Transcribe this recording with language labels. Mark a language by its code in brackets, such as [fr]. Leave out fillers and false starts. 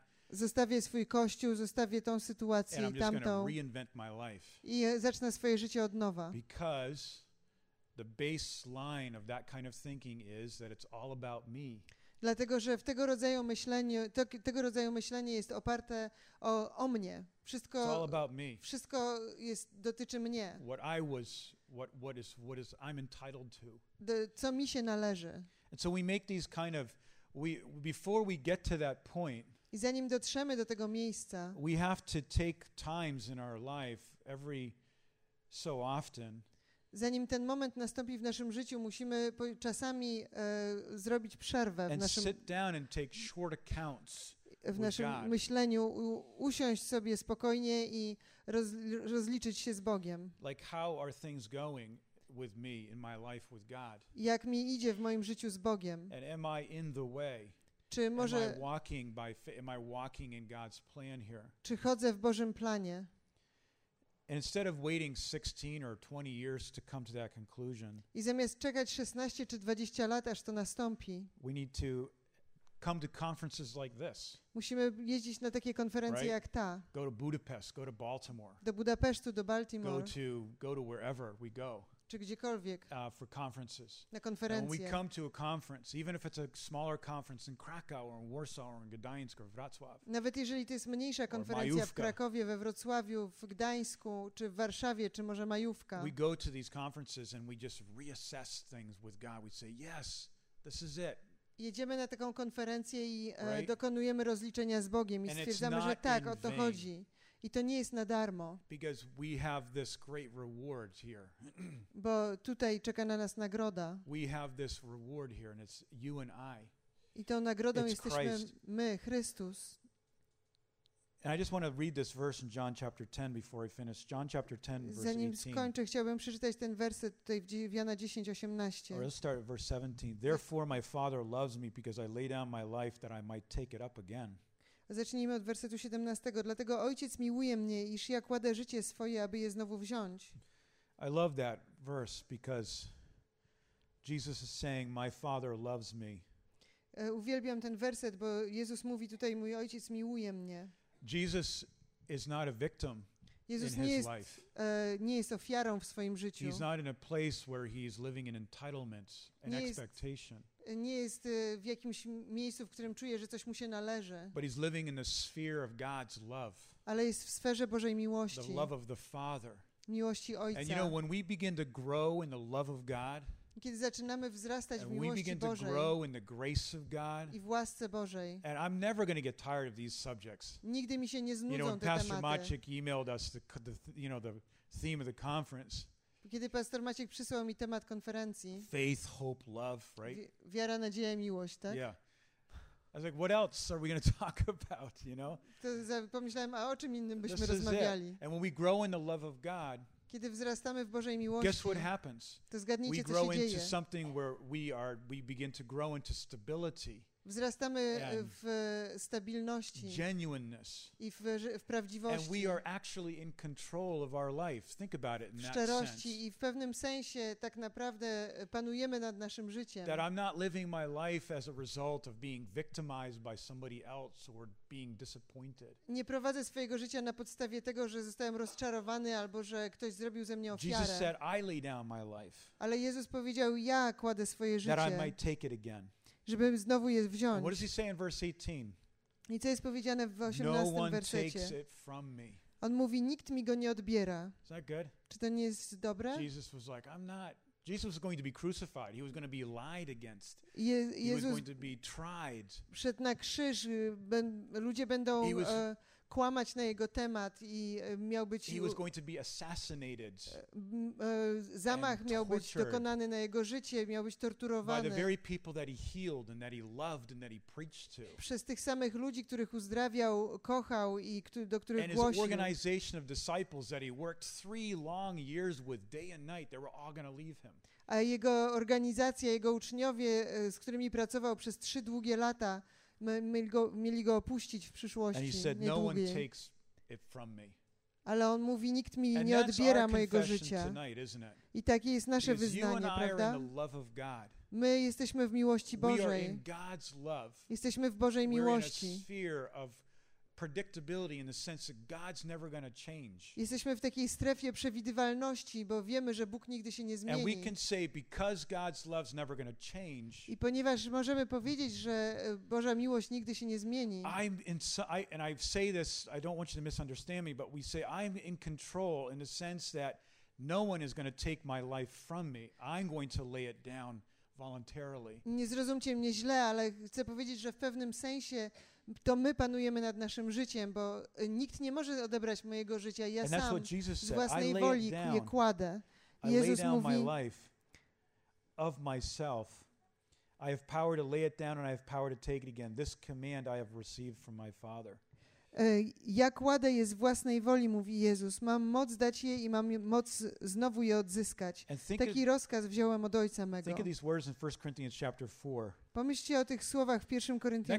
[pl] Zostawię swój kościół, zostawię tą sytuację [en] and [pl] i tamtą. [en] Reinvent my life. [pl] I zacznę swoje życie od nowa. [en] Because the baseline of that kind of thinking is that it's all about me. [pl] Dlatego, że w tego rodzaju myśleniu, tego rodzaju myślenie jest oparte o mnie. Wszystko, [en] it's all about me. [pl] Wszystko jest, dotyczy mnie. [en] What I was, what is I'm entitled to. [pl] Co mi się należy. [en] And so we make these kind of, before we get to that point, [pl] i zanim dotrzemy do tego miejsca, [en] we have to take times in our life every so often. [pl] Zanim ten moment nastąpi w naszym życiu, musimy czasami zrobić przerwę w naszym, [en] sit down and take short accounts [pl] w naszym myśleniu, usiąść sobie spokojnie i rozliczyć się z Bogiem. [en] Like how are things going with me in my life with God? [pl] Jak mi idzie w moim życiu z Bogiem? [en] And am I in the way? [pl] Czy może, [en] am I walking in God's plan here? [pl] Czy chodzę w Bożym planie? [en] Instead of waiting 16 or 20 years to come to that conclusion, [pl] i zamiast czekać 16 czy 20 lat, aż to nastąpi, [en] we need to come to conferences like this. [pl] Musimy jeździć na takie konferencje, [en] right? [pl] Jak ta. [en] Go to Budapest, go to Baltimore. [pl] Do Budapesztu, do Baltimore. [en] Go to wherever we go. [pl] Czy gdziekolwiek. [en] For conferences. [pl] Na konferencje. [en] And when we come to a conference, even if it's a smaller conference in Krakow or in Warsaw or in Gdańsk or Wrocław. [pl] Nawet jeżeli to jest mniejsza konferencja w Krakowie, we Wrocławiu, w Gdańsku, czy w Warszawie, czy może Majówka. [en] We go to these conferences and we just reassess things with God. We say, yes, this is it. [pl] Jedziemy na taką konferencję i dokonujemy rozliczenia z Bogiem i stwierdzamy, że tak, o to chodzi. I to nie jest na darmo. [en] Because we have this great reward here. [pl] Bo tutaj czeka na nas nagroda. [en] We have this reward here and it's you and I. [pl] I tą nagrodą jesteśmy my, Chrystus. [en] And I just want to read this verse in John chapter 10 before I finish. John chapter 10, verse 18. [pl] Zanim skończę, chciałbym przeczytać ten werset tutaj w Jana 10, 18. [en] Or let's start at verse 17. Therefore my Father loves me because I lay down my life that I might take it up again. [pl] Zacznijmy od wersetu 17. Dlatego Ojciec miłuje mnie, iż ja kładę życie swoje, aby je znowu wziąć. [en] I love that verse because Jesus is saying, my Father loves me. [pl] Uwielbiam ten werset, bo Jezus mówi tutaj, mój Ojciec miłuje mnie. [en] Jesus is not a victim [pl] Jezus [en] in his [pl] jest, [en] life. [pl] Nie jest ofiarą w swoim życiu. [en] He's not in a place where he is living in entitlement and expectation. [pl] Nie jest w jakimś miejscu, w którym czuje, że coś mu się należy. [en] But he's living in the sphere of God's love. [pl] Ale jest w sferze Bożej miłości. [en] The love of the Father. [pl] Miłości Ojca. [en] And you know, when we begin to grow in the love of God, [pl] kiedy zaczynamy wzrastać [en] and [pl] w miłości [en] we begin [pl] Bożej [en] to grow in the grace of God, [pl] i w łasce Bożej. [en] And I'm never going to get tired of these subjects. [pl] Nigdy mi się nie znudzą [en] you know, [pl] te [en] Pastor [pl] tematy. [en] You know, Pastor Maciek emailed us the theme of the conference. [pl] Kiedy Pastor Maciek przysłał mi temat konferencji. [en] Faith, hope, love, right? [pl] Wiara, nadzieja, miłość, tak? [en] Yeah. I was like, what else are we going to talk about, you know? [pl] To pomyślałem, a o czym innym byśmy rozmawiali? [en] And when we grow in the love of God, [pl] kiedy wzrastamy w Bożej miłości, [en] guess what happens? [pl] To zgadnijcie, [en] we [pl] co [en] grow [pl] się [en] into [pl] dzieje. [en] Something where we begin to grow into stability. [pl] Wzrastamy w stabilności. [en] Genuineness. [pl] I w prawdziwości. [en] And we are actually in control of our life. Think about it in that [pl] szczerości I w pewnym sensie tak naprawdę panujemy nad naszym życiem. [en] That I'm not living my life as a result of being victimized by somebody else or being disappointed. [pl] Nie prowadzę swojego życia na podstawie tego, że zostałem rozczarowany albo że ktoś zrobił ze mnie ofiarę. [en] Jesus said, I lay down my life. [pl] Ale Jezus powiedział, ja kładę swoje życie. [en] That I might take it again. [pl] Żeby znowu je wziąć. [en] What does he say in verse 18? [pl] I co jest powiedziane w 18 [en] no one [pl] wersecie? [en] Takes it from me. [pl] On mówi, nikt mi go nie odbiera. [en] Is that good? [pl] Czy to nie jest dobre? [en] Jesus was like, I'm not. Jesus was going to be crucified. He was going to be lied against. [pl] Jezus [en] was going to be tried. [pl] Szedł na krzyż. Ludzie będą kłamać na jego temat i miał być. [en] He was going to be assassinated. [pl] Zamach miał być dokonany na jego życie, miał być torturowany. [en] By the very people that he healed and that he loved and that he preached to. [pl] Przez tych samych ludzi, których uzdrawiał, kochał i do których [en] and [pl] głosił. [en] And his organization of disciples that he worked 3 long years with, day and night, they were all going to leave him. [pl] A jego organizacja, jego uczniowie, z którymi pracował przez 3 długie lata, mieli go opuścić w przyszłości. [en] And he said, no one takes it from me. [pl] Ale on mówi, nikt mi nie odbiera mojego życia. [en] Tonight, isn't it? [pl] I takie jest nasze wyznanie, prawda? My jesteśmy w miłości Bożej. Jesteśmy w Bożej miłości. [en] Predictability in the sense that God's never going to change. [pl] Jesteśmy w takiej strefie przewidywalności, bo wiemy, że Bóg nigdy się nie zmieni. [en] And we can say because God's love's never going to change. [pl] I ponieważ możemy powiedzieć, że Boża miłość nigdy się nie zmieni. [en] I don't want you to misunderstand me, but we say I'm in control in the sense that no one is going to take my life from me. I'm going to lay it down voluntarily. [pl] Nie zrozumcie mnie źle, ale chcę powiedzieć, że w pewnym sensie to my panujemy nad naszym życiem, bo nikt nie może odebrać mojego życia. Ja [en] and [pl] sam z własnej woli je kładę. Jezus mówi, [en] my life of myself. I have power to lay it down and I have power to take it again. This command I have received from my Father. [pl] Ja kładę je z własnej woli, mówi Jezus. Mam moc dać je i mam moc znowu je odzyskać. Taki rozkaz wziąłem od Ojca mego. [en] Think of these words in 1 Corinthians chapter 4. [pl] Pomyślcie o tych słowach w 1 Koryntian 4.